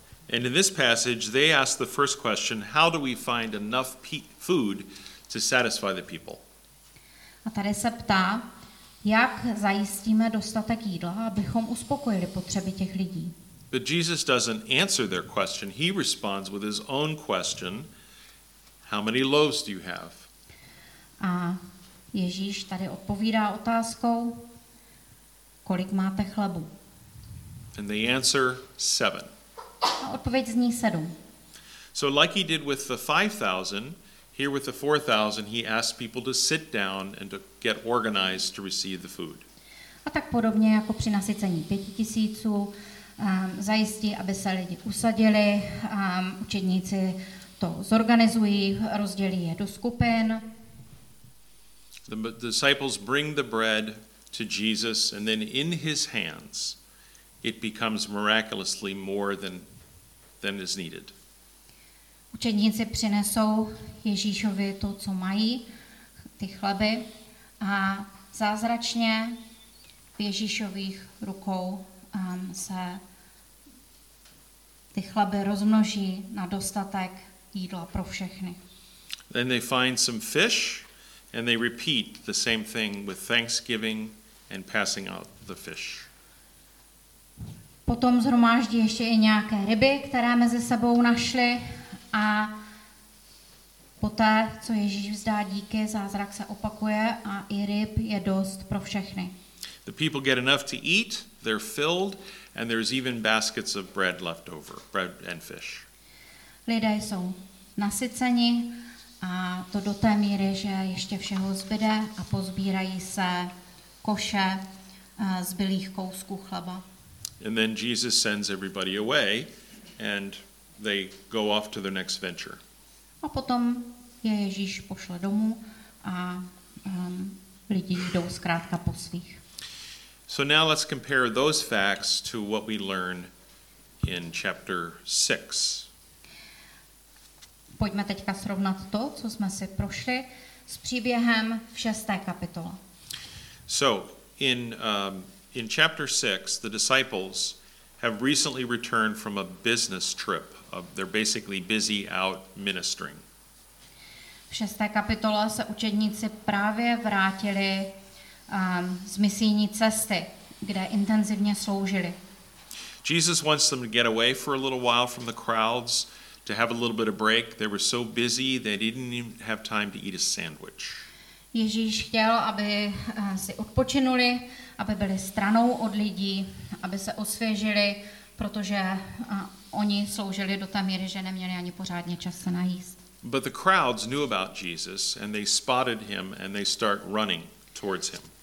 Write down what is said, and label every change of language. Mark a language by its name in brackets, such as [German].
[English] And in this passage they ask the first question, how do we find enough food to satisfy the people? [Czech] A tady se ptá, jak zajistíme dostatek jídla, abychom uspokojili potřeby těch lidí. [English] But Jesus doesn't answer their question, he responds with his own question. How many loaves do you have? [Czech] A Ježíš tady odpovídá otázkou, kolik máte chlebu? [English] And the answer, 7. [Czech] A odpověď zní 7. [English] So like he did with the 5,000, here with the 4,000, he asked people to sit down and to get organized to receive the food. [Czech] A tak podobně jako při nasycení 5,000, zajistí, aby se lidi usadili, učedníci to zorganizují, rozdělí je do skupin. [English] The disciples bring the bread to Jesus and then in his hands it becomes miraculously more than is needed. [Czech] Učedníci přinesou Ježíšovi to, co mají, ty chleby, A zázračně v Ježíšových rukou se ty chleby rozmnoží na dostatek jídla pro všechny. [English] Then they find some fish and they repeat the same thing with thanksgiving and passing out the fish. [Czech] Potom zhromáždí ještě i nějaké ryby, které mezi sebou našli, a poté, co Ježíš vzdá díky, zázrak se opakuje a i ryb je dost pro všechny. [English] The people get enough to eat, they're filled, and there's even baskets of bread left over, bread and fish. [Czech] Lidé jsou nasyceni a to do té míry, že ještě všeho zbyde a pozbírají se koše zbylých kousků chleba. [English] And then Jesus sends everybody away and they go off to their next venture. [Czech] A potom je Ježíš pošle domů a lidi jdou zkrátka po svých. [English] So now let's compare those facts to what we learn in chapter 6. [Czech] Pojďme teďka srovnat to, co jsme si prošli, s příběhem v 6. kapitole. [English] So in chapter 6, the disciples have recently returned from a business trip. They're basically busy out ministering. [Czech] V 6. kapitole se učedníci právě vrátili z misijní cesty, kde intenzivně sloužili. [English] Jesus wants them to get away for a little while from the crowds, to have a little bit of break. They were so busy, they didn't even have time to eat a sandwich. [Czech] Ježíš chtěl, aby si odpočinuli, aby byli stranou od lidí, aby se osvěžili, protože oni sloužili do té míry, že neměli ani pořádně čas se najíst. [English] But the crowds knew about Jesus and they spotted him and they start running towards him.